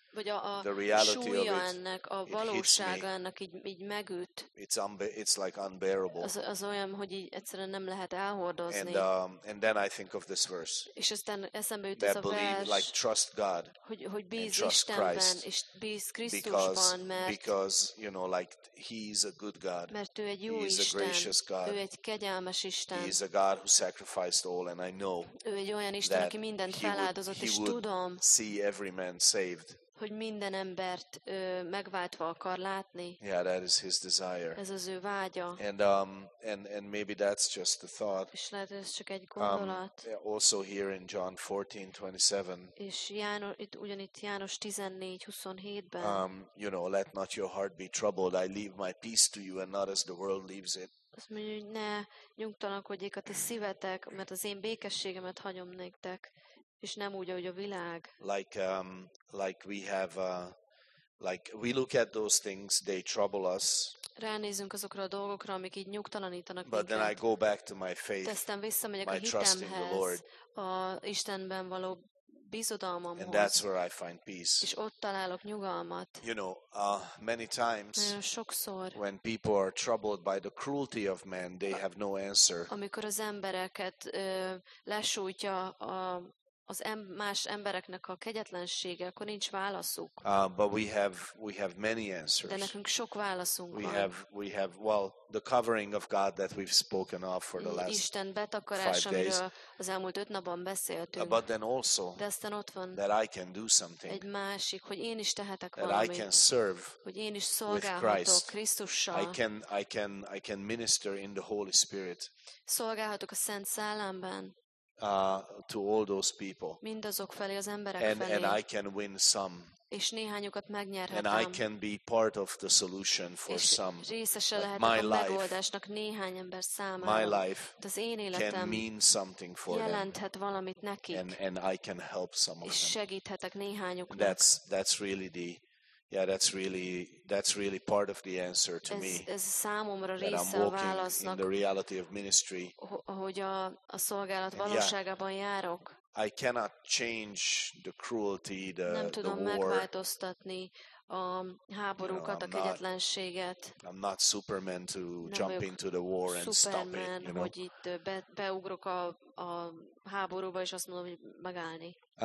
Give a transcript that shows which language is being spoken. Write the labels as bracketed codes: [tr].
[hu] vagy a súlya ennek, a valósága ennek így megüt. [en] It's like unbearable. [hu] Az olyan, hogy így egyszerűen nem lehet elhordozni. [en] And then I think of this verse. [hu] És aztán eszembe jut [en] that [hu] ez a [en] believe, [hu] vers, [en] like, trust God, [hu] hogy bíz Istenben, és bíz Krisztusban, [en] because, you know, like, he's a good God. [hu] Mert ő egy jó [en] he's [hu] Isten. [en] A gracious God. [hu] Ő egy kegyelmes Isten. [en] He's a God who sacrificed all, and I know [hu] ő egy olyan Isten, aki mindent feláldozott, és tudom, [en] see every man saved. [hu] Hogy minden embert megváltva akar látni. [en] Yeah, that is his desire. [hu] Ez az ő vágya. [en] And maybe that's just the thought. [hu] És lehet, ez csak egy gondolat. [en] Also here in John 14:27. [hu] És ugyanitt János 14:27-ben. [en] You know, let not your heart be troubled. I leave my peace to you, and not as the world leaves it. [hu] Azt mondja, hogy ne nyugtalankodjék a ti szívetek, mert az én békességemet hagyom nektek. És nem úgy, ahogy a világ. [en] Like we have Like we look at those things, they trouble us. [hu] Ránézünk azokra a dolgokra, amik így nyugtalanítanak minket. [en] But then I go back to my faith, my trust in the Lord. [hu] A Istenben való bizodalmamhoz. [en] And that's where I find peace. [hu] És ott találok nyugalmat. [en] You know, many times [hu] sokszor, [en] when people are troubled by the cruelty of man, they have no answer. [hu] Amikor az embereket lesújtja a az más embereknek a kegyetlensége, akkor nincs válaszuk. [en] But we have many answers. [hu] De nekünk sok válaszunk [en] we [hu] van. [en] We have well the covering of God that we've spoken of for the last [hu] Isten betakarás, amiről az elmúlt 5 napban beszéltünk. [en] But then also [hu] de aztán ott van [en] that I can do something. [hu] Egy másik, hogy én is tehetek [en] that [hu] valamit. [en] I can serve [hu] hogy én is szolgálhatok Krisztussal. [en] I can minister in the Holy Spirit. [hu] Szolgálhatok a Szent Szellemben. [en] To all those people. [hu] Mindazok felé az emberek felé. [en] And I can win some. [hu] És néhányukat megnyerhetem. [en] And I can be part of the solution for some. [hu] Részese lehetek a megoldásnak néhány ember számára. [en] My life. [hu] Az én életem [en] can mean something for them. [hu] Jelenthet valamit nekik. [en] And I can help some of them. [hu] És segíthetek néhányuknak. [en] That's really part of the answer to me. [hu] Ez számomra része a válasznak. [en] In the reality of ministry. [hu] Hogy a szolgálat valóságában járok. [en] I cannot change the cruelty, the war. [hu] Nem tudom megváltoztatni a háborúkat, a kegyetlenséget. [en] I'm not Superman to jump into the war and stop it. [hu] Nem vagyok Superman, hogy itt beugrok a háborúba és azt mondom, hogy megállni.